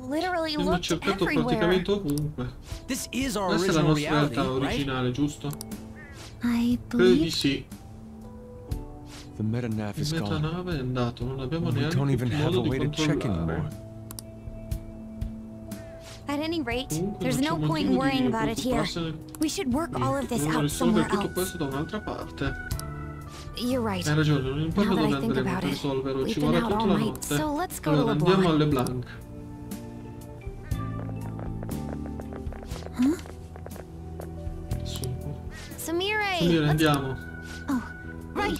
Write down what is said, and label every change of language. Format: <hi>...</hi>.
<it>Abbiamo cercato praticamente ovunque. Questa è la nostra realtà originale, giusto? Credo di sì. Il metanave è andato, non abbiamo neanche modo di controllare.</it> <en>At any rate, there's no point worrying about it here. We should work all of this out somewhere else.</en> <it>Dobbiamo risolvere tutto questo da un'altra parte.</it> <en>You're right.</en> <it>Hai ragione, non importa dove andremo a risolverlo, ci vorrà tutta la notte.</it> <en>So let's go,</en> <it>allora, andiamo alle Blanc. Samire, andiamo.</it> <en>Oh, right.</en>